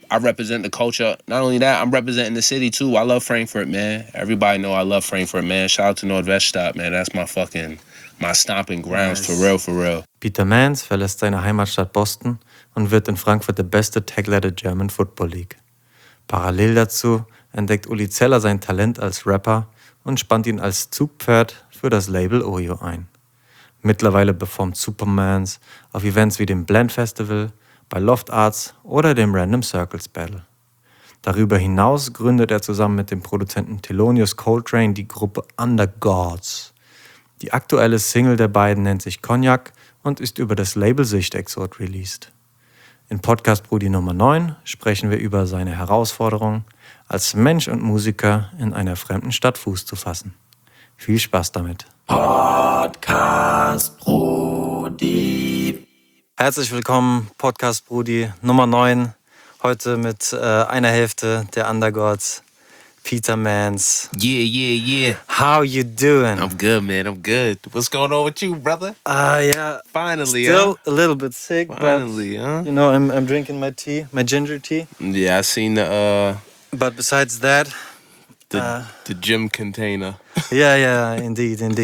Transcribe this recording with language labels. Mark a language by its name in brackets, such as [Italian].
[English] I represent the culture. Not only that, I'm representing the city too. I love Frankfurt, man. Everybody know I love Frankfurt, man. Shout out to Nordweststadt, man. That's my stomping grounds, nice. For real. [German] Peter Manz verlässt seine Heimatstadt Boston und wird in Frankfurt der beste Tackler der German Football League. Parallel dazu entdeckt Uli Zeller sein Talent als Rapper und spannt ihn als Zugpferd für das Label Oyo ein. Mittlerweile performt Supermans auf Events wie dem Blend Festival, bei Loft Arts oder dem Random Circles Battle. Darüber hinaus gründet er zusammen mit dem Produzenten Thelonious Coltrane die Gruppe Under Gods. Die aktuelle Single der beiden nennt sich Cognac und ist über das Label Sichtexort released. In Podcast Brudi Nummer 9 sprechen wir über seine Herausforderung, als Mensch und Musiker in einer fremden Stadt Fuß zu fassen. Viel Spaß damit. Podcast Brudi. Herzlich willkommen, Podcast Brudi Nummer 9. Heute mit einer Hälfte der Undergods, Peter Manz. [English] Yeah. How you doing? I'm good, man. I'm good. What's going on with you, brother? Finally, still a little bit sick, but you know, I'm drinking my tea, my ginger tea. Yeah, I seen the... But besides that... The gym container. Yeah, indeed.